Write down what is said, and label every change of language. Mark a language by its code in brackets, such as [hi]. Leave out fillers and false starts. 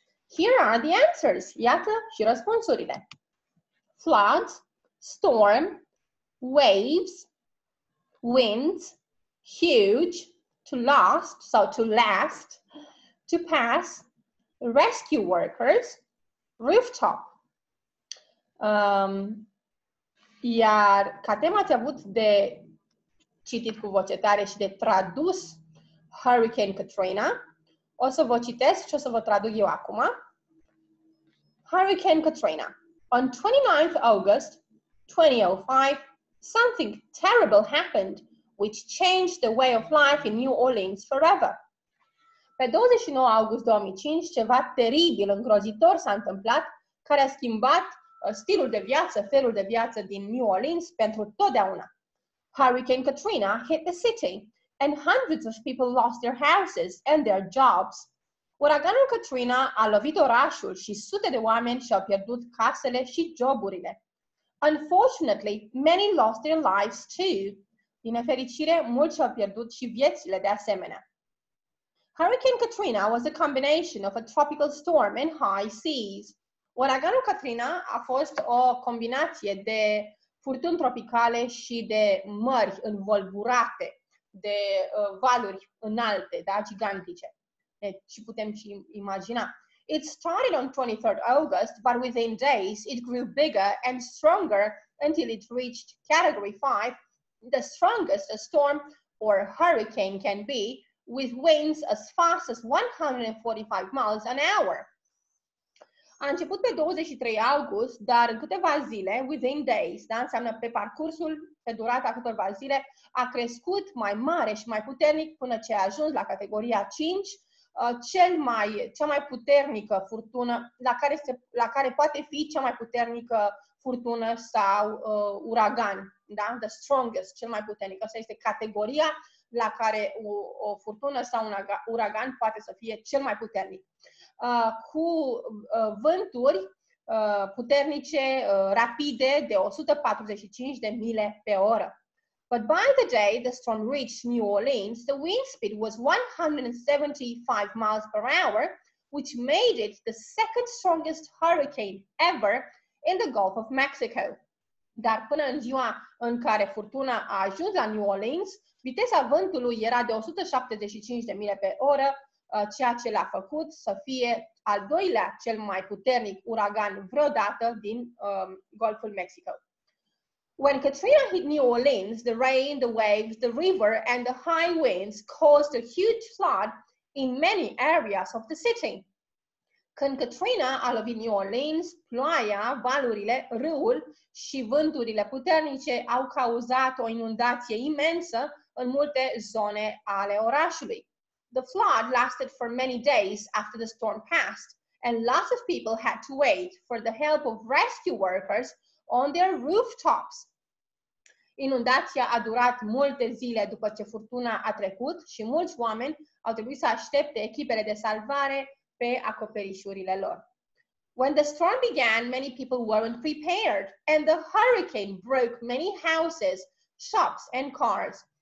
[en] Here are the answers. [ro] Iată și răspunsurile. [en] Floods, storm, waves, winds, huge, to last, so to last, to pass, rescue workers, rooftop. [ro] Iar ca tema ați avut de citit cu voce tare și de tradus Hurricane Katrina, o să vă citesc și o să vă traduc eu acum. [en] Hurricane Katrina. On 29th August 2005, something terrible happened, which changed the way of life in New Orleans forever. [ro] Pe 29 august 2005, ceva teribil, îngrozitor s-a întâmplat, care a schimbat stilul de viață, felul de viață din New Orleans pentru totdeauna. [en] Hurricane Katrina hit the city, and hundreds of people lost their houses and their jobs. [ro] Uraganul Katrina a lovit orașul și sute de oameni și-au pierdut casele și joburile. [en] Unfortunately, many lost their lives too. [ro] Din nefericire, mulți au pierdut și viețile de asemenea. [en] Hurricane Katrina was a combination of a tropical storm and high seas. [ro] Uraganul Katrina a fost o combinație de furtuni tropicale și de mări învolburate, de valuri înalte, da, gigantice. Deci putem și imagina. [en] It started on 23rd August, but within days it grew bigger and stronger until it reached category 5. The strongest a storm or a hurricane can be, with winds as fast as 145 miles an hour. [ro] A început pe 23 august, dar în câteva zile, [en] within days, [ro] da, înseamnă pe parcursul, pe durata câteva zile, a crescut mai mare și mai puternic până ce a ajuns la categoria 5, cea mai puternică furtună, la care poate fi cea mai puternică furtună sau uragan. Da? [en] The strongest, [ro] cel mai puternic. Asta este categoria la care o furtună sau un uragan poate să fie cel mai puternic. Cu vânturi puternice, rapide, de 145 de mile pe oră. [en] But by the day the storm reached New Orleans, the wind speed was 175 miles per hour, which made it the second strongest hurricane ever in the Gulf of Mexico. [ro] Dar până în ziua în care furtuna a ajuns la New Orleans, viteza vântului era de 175 de mile pe oră, ceea ce l-a făcut să fie al doilea cel mai puternic uragan vreodată din Golful Mexico. [en] When Katrina hit New Orleans, the rain, the waves, the river and the high winds caused a huge flood in many areas of the city. [ro] Când Katrina a lovit New Orleans, ploaia, valurile, râul și vânturile puternice au cauzat o inundație imensă în multe zone ale orașului. [en] The flood lasted for many days after the storm passed, and lots of people had to wait for the help of rescue workers on their rooftops. [ro] Inundația a durat multe zile după ce furtuna a trecut și mulți oameni au trebuit să aștepte echipele de salvare pe acoperișurile lor. [en] When the storm began, many people weren't prepared, and the hurricane broke many houses, shops, and cars.